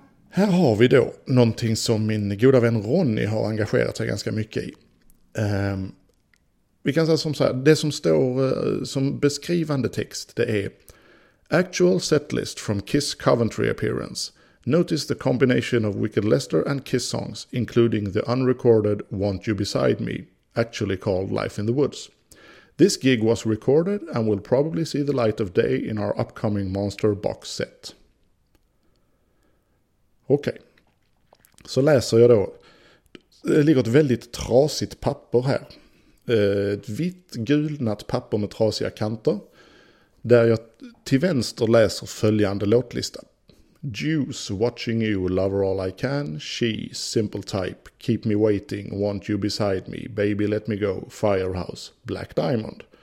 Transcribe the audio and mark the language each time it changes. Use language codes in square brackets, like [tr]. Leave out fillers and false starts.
[sv] Här har vi då någonting som min goda vän Ronny har engagerat sig ganska mycket i. Vi kan säga som så här, det som står som beskrivande text, det är [en] "Actual setlist from Kiss Coventry appearance. Notice the combination of Wicked Lester and Kiss songs, including the unrecorded Want You Beside Me, actually called Life in the Woods. This gig was recorded and will probably see the light of day in our upcoming Monster Box set." [sv] Okej, okay. Så läser jag då. Det ligger ett väldigt trasigt papper här. Ett vitt, gulnat papper med trasiga kanter. Där jag till vänster läser följande låtlista. [en] "Juice, Watching You, Lover All I Can, She, Simple Type, Keep Me Waiting, Want You Beside Me, Baby Let Me Go, Firehouse, Black Diamond."